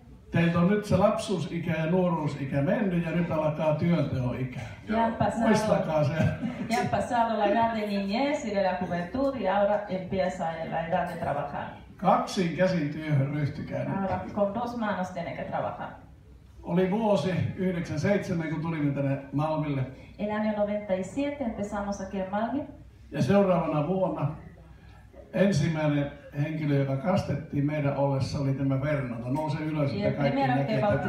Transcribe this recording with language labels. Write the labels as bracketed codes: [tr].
[fi] Teiltä on nyt se lapsuusikä ja nuoruusikä mennyt ja nyt alkaa työnteoikä. Muistakaa se. [es] Ya han pasado la grande niñez y de la juventud y ahora empieza la edad de trabajar. [fi] Kaksin käsin työhön ryhtykää nyt. [es] Ahora con dos manos tiene que trabajar. [fi] Oli vuosi 97, kun tulimme tänne Malmille. [es] El año 97 empezamos aquí en Malmi. [fi] Ja seuraavana vuonna ensimmäinen henkilö, joka kastettiin meidän ollessa, oli tämä Fernando. Nouse ylös, että kaikki näkee.